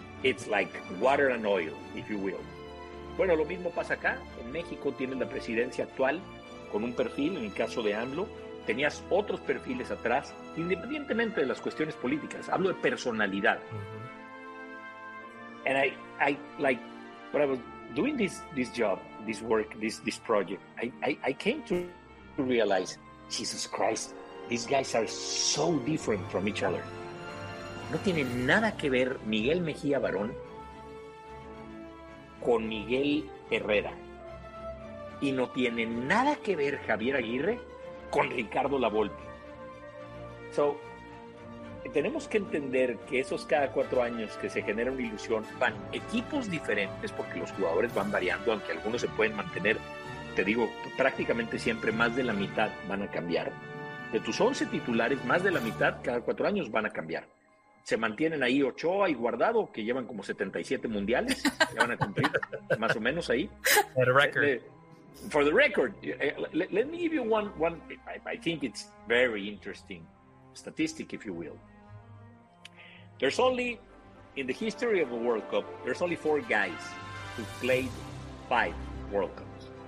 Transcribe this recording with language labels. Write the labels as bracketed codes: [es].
[en] It's like water and oil, if you will. [es] Bueno, lo mismo pasa acá. En México tienen la presidencia actual con un perfil, en el caso de AMLO, tenías otros perfiles atrás, independientemente de las cuestiones políticas. Hablo de personalidad. [en] Mm-hmm. And I like, when I was doing this job, this work, this project, I came to realize, Jesus Christ, these guys are so different from each other. [es] No tiene nada que ver Miguel Mejía Barón con Miguel Herrera. Y no tiene nada que ver Javier Aguirre con Ricardo La Volpe. So, tenemos que entender que esos cada cuatro años que se genera una ilusión van equipos diferentes porque los jugadores van variando, aunque algunos se pueden mantener. Te digo, prácticamente siempre más de la mitad van a cambiar. De tus 11 titulares, más de la mitad cada cuatro años van a cambiar. Se mantienen ahí Ochoa y Guardado, que llevan como 77 mundiales, ya van a cumplir más o menos ahí. [en] At a record. For the record, let me give you one. I think it's very interesting statistic, if you will. There's only, in the history of the World Cup, there's only four guys who played five World Cups.